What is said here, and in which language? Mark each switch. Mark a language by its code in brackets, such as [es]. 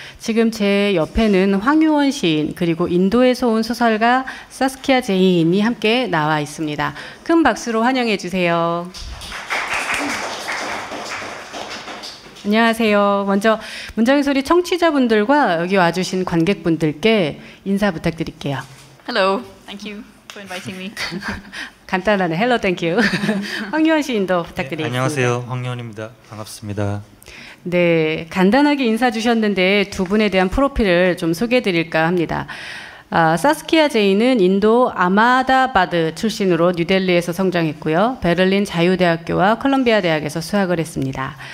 [ko] 지금 제 옆에는 황유원 시인 그리고 인도에서 온 소설가 사스키아 제인이 함께 나와 있습니다. 큰 박수로 환영해 주세요. 안녕하세요. 먼저 문장의 소리 청취자분들과 여기 와주신 관객분들께 인사 부탁드릴게요. [en] Hello. Thank you for inviting me. [ko] 간단한 [en] Hello, thank you. [ko] 황유원 시인도 부탁드립니다. 네, 안녕하세요. 황유원입니다. 반갑습니다. 네, 간단하게 인사 주셨는데 두 분에 대한 프로필을 좀 소개해 드릴까 합니다. 아, 사스키아 제인은 인도 아마다바드 출신으로 뉴델리에서 성장했고요. 베를린 자유대학교와 컬럼비아 대학에서 수학을 했습니다.